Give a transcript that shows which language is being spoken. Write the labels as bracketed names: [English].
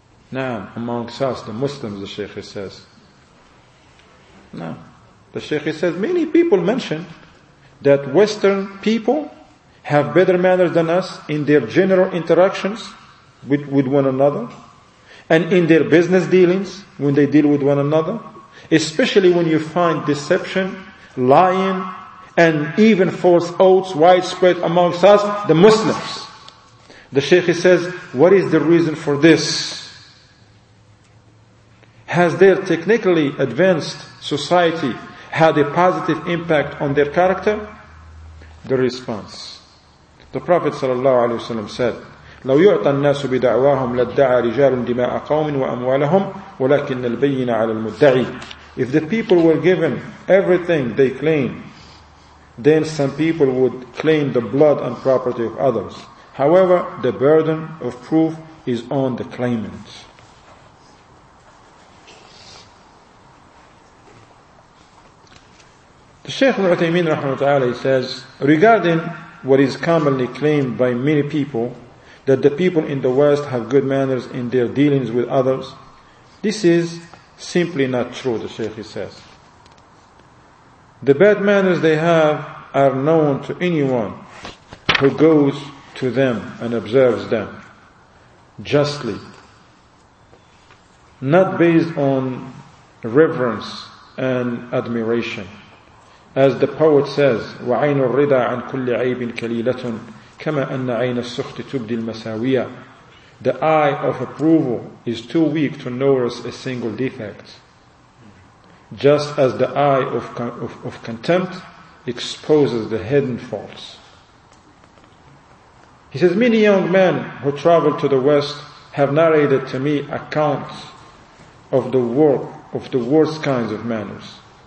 [English] Now, amongst us, the Muslims, the Shaykh says. Now, the Shaykh says, many people mention that Western people have better manners than us in their general interactions with one another, and in their business dealings when they deal with one another, especially when you find deception, lying, and even false oaths widespread amongst us, the Muslims. The Shaykh says, what is the reason for this? Has their technically advanced society had a positive impact on their character? The response. The Prophet ﷺ said, [Arabic] لَوْ يُعْطَى النَّاسُ بِدَعْوَاهُمْ لَدَّعَى رِجَالٌ دِمَاءَ قَوْمٍ وَأَمْوَالَهُمْ وَلَكِنَّ الْبَيِّنَ عَلَى الْمُدَّعِي. [English] If the people were given everything they claim, then some people would claim the blood and property of others. However, the burden of proof is on the claimant. The Shaykh Al-Uthaymeen rahimahullah ta'ala, he says, regarding what is commonly claimed by many people, that the people in the West have good manners in their dealings with others, this is simply not true, the Shaykh says. The bad manners they have are known to anyone who goes to them and observes them justly, not based on reverence and admiration. As the poet says, [Arabic] وَعَيْنُ الرِّضَى عَنْ كُلِّ عَيْبٍ كَلِيلَةٌ كَمَا أَنَّ عَيْنَ السُّخْتِ تُبْدِي الْمَسَاوِيَةِ. [English] The eye of approval is too weak to notice a single defect. Just as the eye of contempt exposes the hidden faults. He says, many young men who travel to the West have narrated to me accounts of the work of the worst kinds of manners.